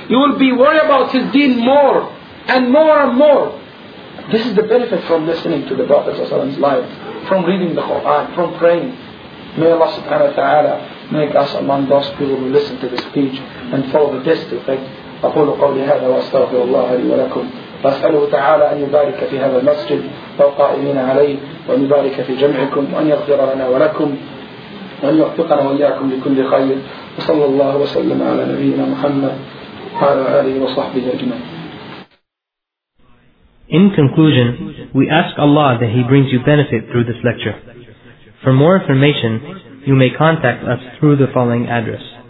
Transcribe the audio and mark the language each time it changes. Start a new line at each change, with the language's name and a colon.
English: You will be worried about his deen more and more and more. This is the benefit from listening to the Prophet's life, from reading the Quran, from praying. May Allah subhanahu wa ta'ala make us among those people who listen to the speech and follow the best effect.
Arabic: أقول قولي هذا وأستغفر الله لي ولكم وأسأله تعالى أن يبارك في هذا المسجد والقائمين عليه وأن يبارك في جمعكم وأن يغفر لنا ولكم وأن يوفقنا وإياكم لكل خير وصلى الله وسلم على نبينا محمد وعلى آله وصحبه أجمعين.
English: In conclusion, we ask Allah that He brings you benefit through this lecture. For more information, you may contact us through the following address.